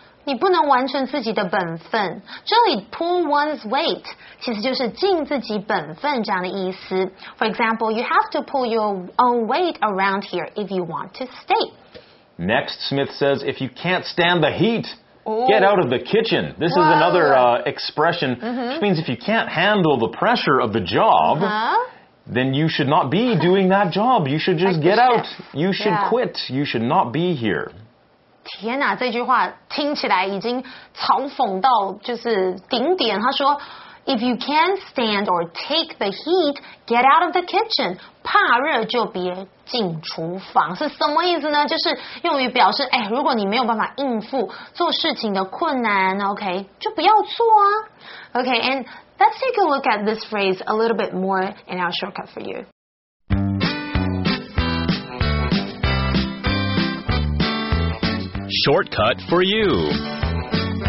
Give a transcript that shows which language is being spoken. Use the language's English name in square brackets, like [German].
[Chinese] 你不能完成自己的本分。这里 [English] pull one's weight [Chinese] 其实就是尽自己本分这样的意思。 [English] For example, you have to pull your own weight around here if you want to stay. Next, Smith says, if you can't stand the heat, get out of the kitchen. This is another expression, which means if you can't handle the pressure of the job, then you should not be doing that job. You should just get out. You should quit. You should not be here. [Chinese] 天哪，这句话听起来已经嘲讽到就是顶点。他说， [English] If you can't stand or take the heat, get out of the kitchen. [Chinese] 怕热就别进厨房。是什么意思呢？就是用于表示，哎，如果你没有办法应付做事情的困难 ，OK， 就不要做啊。 [English] OK， and let's take a look at this phrase a little bit more in our shortcut for you. Shortcut for you.